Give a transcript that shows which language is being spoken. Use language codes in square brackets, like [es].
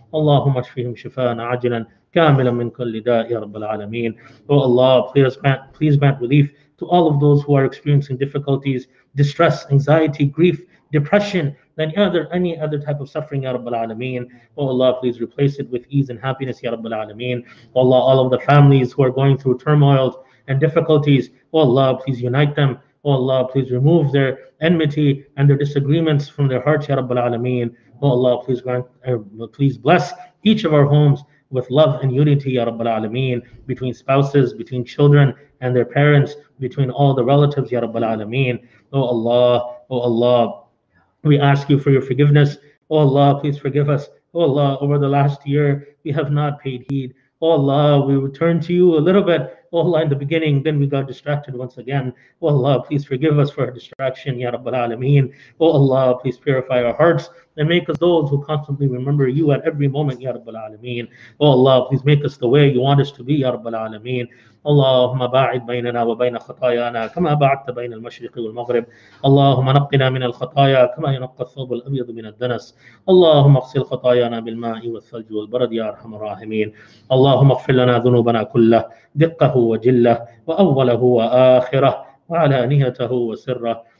[ar] اللهم اشفهم شفاء عاجلا كاملا من كل داء يا رب العالمين. [en] Oh Allah, please grant relief to all of those who are experiencing difficulties, distress, anxiety, grief, depression, than any other type of suffering, ya Rabbal Alameen. Oh Allah, please replace it with ease and happiness, ya Rabbal Alameen. Oh Allah, all of the families who are going through turmoil and difficulties, oh Allah, please unite them. Oh Allah, please remove their enmity and their disagreements from their hearts, ya Rabbal Alameen. Oh Allah, please bless each of our homes with love and unity, ya Rabbal Alameen, between spouses, between children and their parents, between all the relatives, ya Rabbal Alameen. Oh Allah, we ask you for your forgiveness. Oh Allah, please forgive us. Oh Allah, over the last year, we have not paid heed. Oh Allah, we returned to you a little bit. Oh Allah, in the beginning, then we got distracted once again. Oh Allah, please forgive us for our distraction, ya Rabbal Alameen. Oh Allah, please purify our hearts and make us those who constantly remember you at every moment, ya Rabbal Alameen. Oh Allah, please make us the way you want us to be, ya Rabbal Alameen. [ar] اللهم باعد بيننا وبين خطايانا كما بعدت بين المشرق والمغرب. اللهم نقنا من الخطايا كما ينقى الثوب الأبيض من الدنس. اللهم اغسل خطايانا بالماء والثلج والبرد يا أرحم الراحمين. اللهم اغفر لنا ذنوبنا كله دقه وجله وأوله وآخره وعلانيته وسره.